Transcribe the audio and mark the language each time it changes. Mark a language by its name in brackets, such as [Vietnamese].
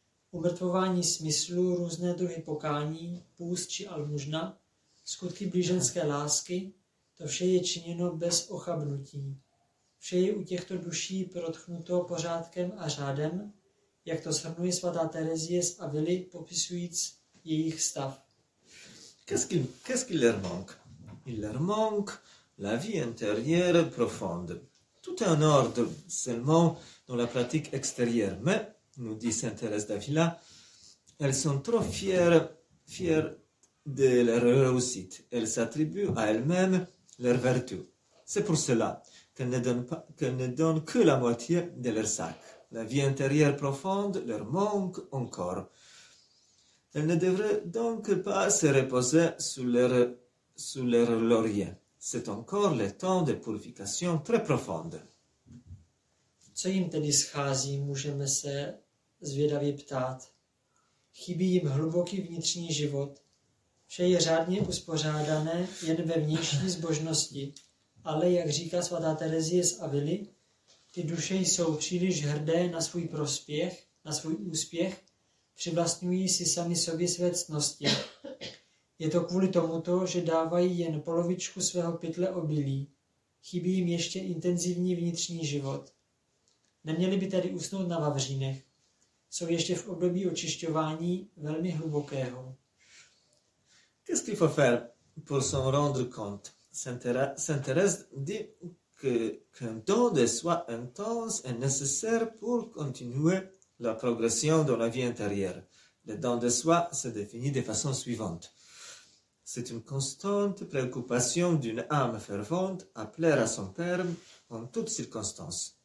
[Czech] Umrtvování smyslu, různé druhy pokání, půst či almužna, skutky blíženské lásky, to vše je činěno bez ochabnutí. Vše je u těchto duší protchnuto pořádkem a řádem, jak to shrnuje svatá Terezie z Avily, popisujíc jejich stav. [French] Qu'est-ce qu'il leur manque? Il leur manque la vie intérieure profonde. Tout est en ordre seulement dans la pratique extérieure, mais, nous dit Sainte Thérèse d'Avila, elles sont trop fières de leur réussite. Elles s'attribuent à elles-mêmes leur vertu. C'est pour cela qu'elles ne donnent que la moitié de leur sac. La vie intérieure profonde leur manque encore. Elles ne devraient donc pas se reposer sur leur laurier. c'est encore le temps de purification très profonde. [Czech] Co jim tedy schází, můžeme se zvědavě ptát. Chybí jim hluboký vnitřní život. Vše je řádně uspořádané jen ve vnější zbožnosti. Ale jak říká svatá Terezie z Avily, ty duše jsou příliš hrdé na svůj prospěch, na svůj úspěch, přivlastňují si sami sobě své ctnosti. Je to kvůli tomuto, že dávají jen polovičku svého pytle obilí. Chybí jim ještě intenzivní vnitřní život. Neměli by tedy usnout na vavřínech. Jsou ještě v období očišťování velmi hlubokého. [French] Qu'est-ce qu'il faut faire pour s'en rendre compte? Saint Thérèse dit qu'un temps de soi intense est nécessaire pour continuer la progression dans la vie intérieure. Le temps de soi se définit de façon suivante. C'est une constante préoccupation d'une âme fervente à plaire à son Père en toutes circonstances.